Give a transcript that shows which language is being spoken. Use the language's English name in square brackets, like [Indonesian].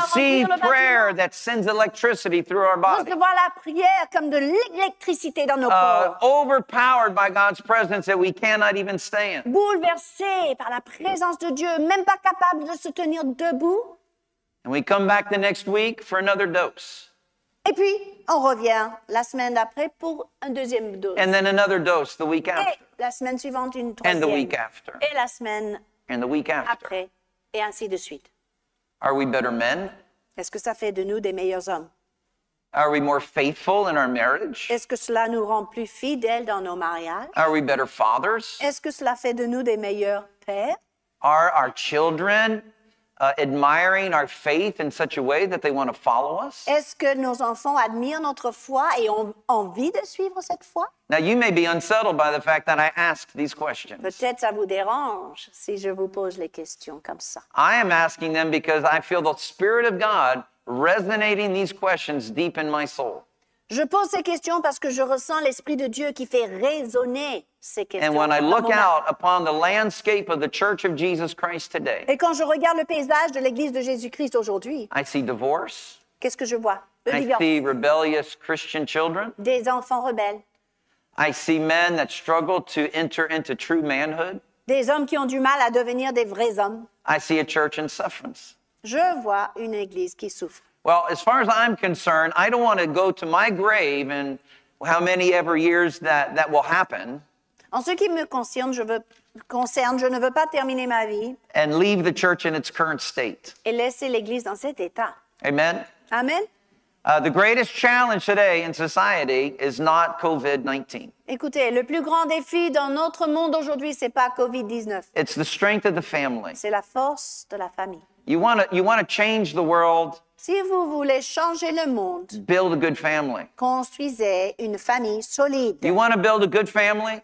[English] Receive prayer that sends electricity through our body. [French] Recevoir la prière comme de l'électricité dans nos corps. [English] Overpowered by God's presence that we cannot even stand. [French] Bouleversé par la présence de Dieu, même pas capable de se tenir debout. [English] And we come back the next week for another dose. [French] Et puis, on revient la semaine d'après pour une deuxième dose. [English] And then another dose the week after. [French] Et la semaine suivante, une troisième. [English] And the week after. [French] Et la semaine [English] and the week after. [French] Après, et ainsi de suite. [English] Are we better men? [French] Est-ce que ça fait de nous des meilleurs hommes? [English] Are we more faithful in our marriage? [French] Est-ce que cela nous rend plus fidèles dans nos mariages? [English] Are we better fathers? [French] Est-ce que cela fait de nous des meilleurs pères? [English] Are our children admiring our faith in such a way that they want to follow us? [French] Est-ce que nos enfants admirent notre foi et ont envie de suivre cette foi? [English] Now you may be unsettled by the fact that I ask these questions. [French] Peut-être ça vous dérange si je vous pose les questions comme ça. [English] I am asking them because I feel the Spirit of God resonating these questions deep in my soul. [French] Je pose ces questions parce que je ressens l'Esprit de Dieu qui fait résonner ces questions. [English] And when I look out upon the landscape of the Church of Jesus Christ today, [French] et quand je regarde le paysage de l'Église de Jésus-Christ aujourd'hui, [English] I see divorce. [French] Qu'est-ce que je vois? [English] I see rebellious Christian children. [French] Des enfants rebelles. [English] I see men that struggle to enter into true manhood. [French] Des hommes qui ont du mal à devenir des vrais hommes. [English] I see a church in sufferance. [French] Je vois une église qui souffre. [English] Well, as far as I'm concerned, I don't want to go to my grave and how many ever years that will happen. [French] En ce qui me concerne, je ne veux pas terminer ma vie. [English] And leave the church in its current state. [French] Et laisser l'église dans cet état. [English] Amen. [French] Amen. [English] The greatest challenge today in society is not COVID-19. [French] Écoutez, le plus grand défi dans notre monde aujourd'hui, c'est pas COVID-19. [English] It's the strength of the family. [French] C'est la force de la famille. [English] You want to change the world. [French] Si vous voulez changer le monde, [English] build a good family. [French] Construisez une famille solide. [English] You want to build a good family.